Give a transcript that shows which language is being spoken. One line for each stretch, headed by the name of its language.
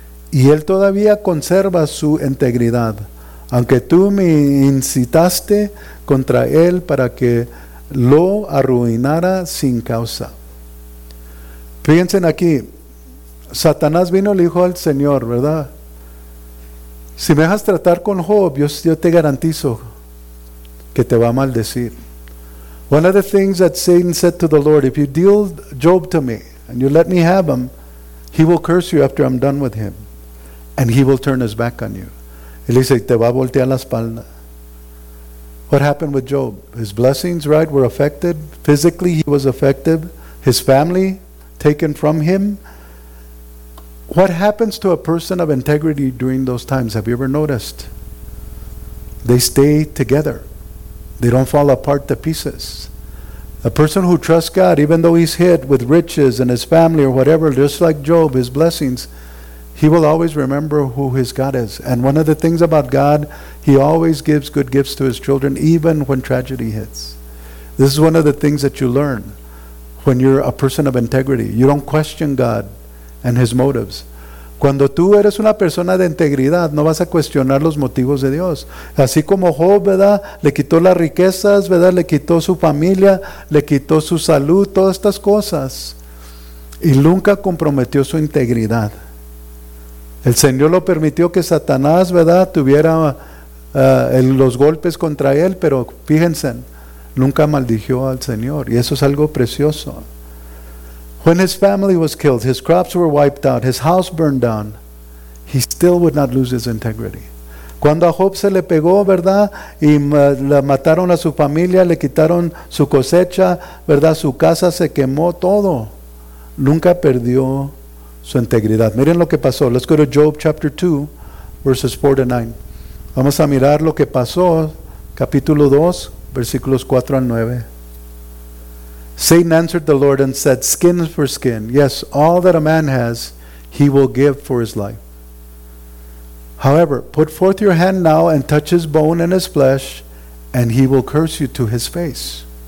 Spanish: Y él todavía conserva su integridad, aunque tú me incitaste contra él para que lo arruinara sin causa." Fíjense aquí, Satanás vino y le dijo al Señor, ¿verdad? "Si me dejas tratar con Job, yo te garantizo que te va a maldecir."
English: One of the things that Satan said to the Lord, "If you deal Job to me and you let me have him, he will curse you after I'm done with him and he will turn his back on you."
Spanish: Él dice, te va a voltear la espalda.
English: What happened with Job? His blessings, right, were affected. Physically, he was affected. His family taken from him. What happens to a person of integrity during those times? Have you ever noticed? They stay together. They don't fall apart to pieces. A person who trusts God, even though he's hit with riches and his family or whatever, just like Job, his blessings, he will always remember who his God is. And one of the things about God, he always gives good gifts to his children, even when tragedy hits. This is one of the things that you learn when you're a person of integrity. You don't question God and his motives.
Spanish: Cuando tú eres una persona de integridad, no vas a cuestionar los motivos de Dios. Así como Job, ¿verdad? Le quitó las riquezas, ¿verdad? Le quitó su familia, le quitó su salud, todas estas cosas. Y nunca comprometió su integridad. El Señor lo permitió que Satanás, ¿verdad?, tuviera los golpes contra él, pero fíjense, nunca maldijo al Señor, y eso es algo precioso.
English: When his family was killed, his crops were wiped out, his house burned down, he still would not lose his integrity.
Spanish: Cuando a Job se le pegó, ¿verdad?, y le mataron a su familia, le quitaron su cosecha, ¿verdad?, su casa se quemó, todo, nunca perdió su integridad. Miren lo que pasó.
English: Let's go to Job chapter 2, verses 4 to 9.
Spanish: Vamos a mirar lo que pasó, capítulo 2, versículos 4 al 9.
English: Satan answered the Lord and said, "Skin for skin. Yes, all that a man has, he will give for his life. However, put forth your hand now and touch his bone and his flesh, and he will curse you to his face."